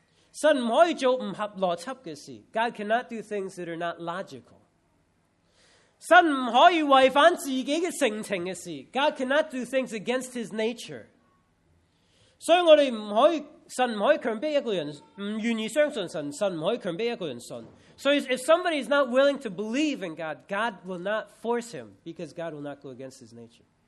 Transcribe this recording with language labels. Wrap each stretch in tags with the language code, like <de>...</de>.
<zh>神不可以做不合邏輯的事,</zh> <en>God cannot do things that are not logical.</en> <zh>神不可以違反自己的性情的事,</zh> <en>God cannot do things against his nature.</en> <zh>所以神不可以強迫一個人相信神,神不可以強迫一個人信。</zh> <en>So if somebody is not willing to believe in God, God will not force him because God will not go against his nature.</en>